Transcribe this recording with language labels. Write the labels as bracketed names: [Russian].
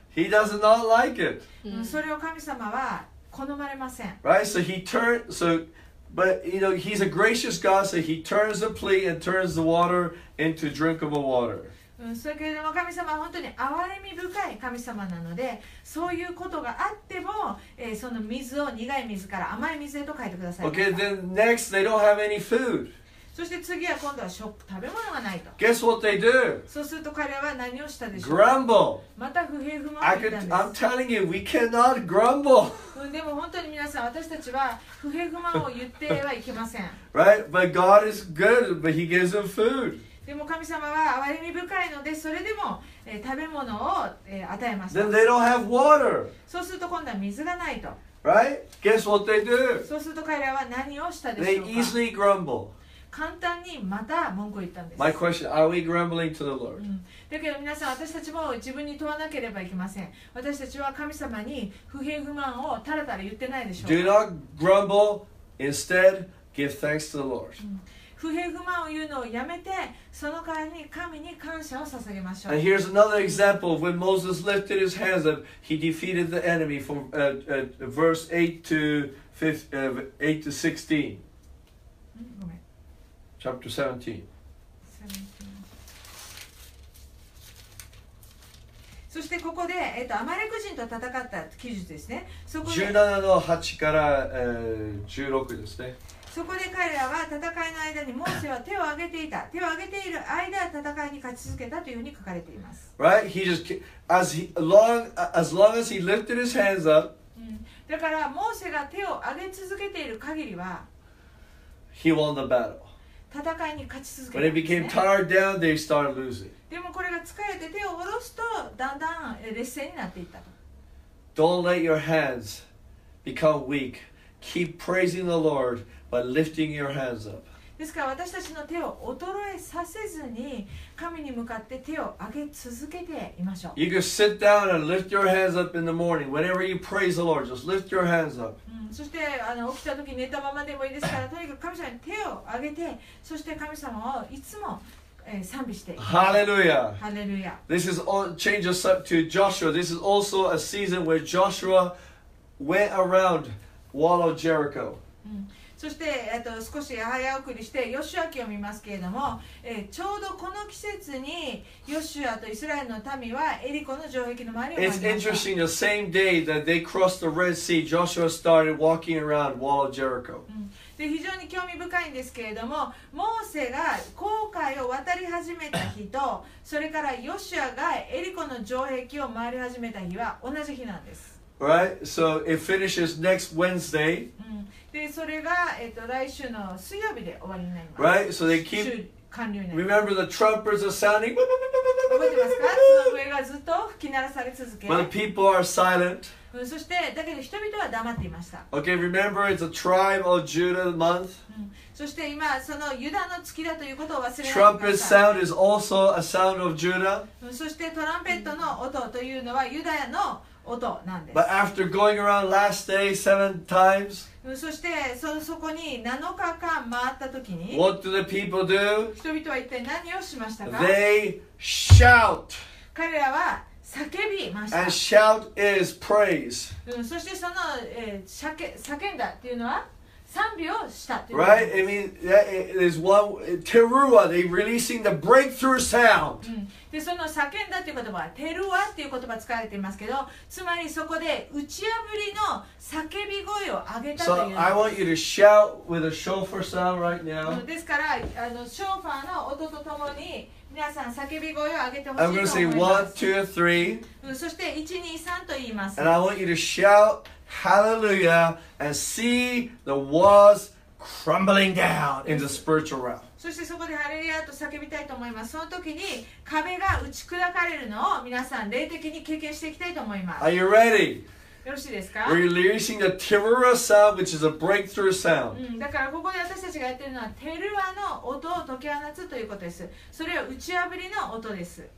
[English] He does not like it. [Japanese] それを神様は好まれません。 [English] Right? So he turned. So. But you know, he's a gracious God, so he turns the plea and turns the water into drinkable water. [Japanese] それけれども神様は本当に憐れみ深い神様なので、そういうことがあっても、その水を苦い水から甘い水へと変えてください。 [English] Okay, then next they don't have any food. [Japanese] そして次は今度は食べ物がないと。 [English] Guess what they do? [Japanese] そうすると彼は何をしたでしょう [English] Grumble. [Japanese] また不平不満を言ったんです。 [English] I'm telling you, we cannot grumble. [Japanese] でも本当に皆さん私たちは不平不満を言ってはいけません。 [English] Right? But God is good, but He gives them food. [Japanese] でも神様は憐れみ深いのでそれでも、食べ物を、与えます。 [English] Then they don't have water. [Japanese] そうすると今度は水がないと。 [English] Right? Guess what they do? [Japanese] そうすると彼らは何をしたでしょうか [English] They easily grumble. [Japanese] 簡単にまた文句を言ったんです。 [English] My question, are we grumbling to the Lord?、 [Japanese] うん、だけど皆さん、私たちも自分に問わなければいけません。私たちは神様に不平不満をたらたら言ってないでしょうか。 [English] Do not grumble, instead give thanks to the Lord.、 [Japanese] うん、不平不満を言うのをやめて、その代わりに神に感謝を捧げましょう。 [English] And here's another example of when Moses lifted his hands up, he defeated the enemy from verse 8 to 16. Chapter 17. [Japanese] そしてここで、アマレク人と戦った記述ですね。そこで 17の8から、16ですね。そこで彼らは戦いの間にモーセは手を挙げていた。手を挙げている間戦いに勝ち続けたというふうに書かれています。 [English] Right? He just as long as long as he lifted his hands up. [Japanese] だからモーセが手を挙げ続けている限りは [English] He won the battle. [Japanese] 戦いに勝ち続けたんですね。 [English] When it became tired down, they started losing. [Japanese] でもこれが疲れて手を下ろすと、だんだん劣勢になっていった。 [English] Don't let your hands become weak. Keep praising the Lord by lifting your hands up. [Japanese] ですから私たちの手を衰えさせずに、神に向かって手を上げ続けていましょう。 [English] You can sit down and lift your hands up in the morning. Whenever you praise the Lord, just lift your hands up. [Japanese] そして起きた時寝たままでもいいですから、とにかく神様に手を上げて、そして神様をいつも賛美していきます。Hallelujah! [English] Hallelujah! This is all, change us up to Joshua. This is also a season where Joshua went around wall of Jericho. [Japanese] そして少し早送りしてヨシュア記を見ますけれども、ちょうどこの季節にヨシュアとイスラエルの民はエリコの城壁の周りを [English] It's interesting, the same day that they crossed the Red Sea, Joshua started walking around wall of Jericho. [Japanese] で非常に興味深いんですけれども、モーセが航海を渡り始めた日とそれからヨシュアがエリコの城壁を回り始めた日は同じ日なんです。 [English] Right, so it finishes next Wednesday、 [Japanese] でそれが、来週の水曜日で終わりになります。 [English] Right, so they keep Remember the trumpets are sounding [Japanese] 覚えてますか、その笛がずっと吹き鳴らされ続け、 [English] But people are silent [Japanese] そしてだけど人々は黙っていました。 [English] Okay, remember it's a tribe of Judah month、 [Japanese] そして今そのユダの月だということを忘れない。 [English] Trumpet sound is also a sound of Judah、 [Japanese] そしてトランペットの音というのはユダヤの音なんです。 [English] But after going around last day seven times、 [Japanese] そしてそこに7日間回った時に、 [English] What do the people do? [Japanese] 人々は一体何をしましたか。 [English] They shout [Japanese] 彼らは叫びました。 [English] And shout is praise、 [Japanese] そしてその、叫んだっていうのは賛美をしたっていう。 [English] Right, I mean that it is one teruah, they releasing the breakthrough sound、 [Japanese] でその叫んだという言葉はテルワっていう言葉使われていますけど、つまりそこで打ち破りの叫び声を上げたという。 [English] So I want you to shout with a shofar sound right now. [Japanese] ですからショーファーの音とともに皆さん叫び声を上げてほしいと思います。そして1、2、3と言います。 [English] And I want you to shout hallelujah and see the walls crumbling down in the spiritual realm. [Japanese] そしてそこでハレルヤと叫びたいと思います。その時に壁が打ち砕かれるのを皆さん霊的に経験していきたいと思います。 [English] Are you ready? [Japanese] よろしいですか? [English] We're releasing the Teruah sound, which is a breakthrough sound. [Japanese] だからここで私たちがやってるのはテルワの音を解き放つということです。それは打ち破りの音です。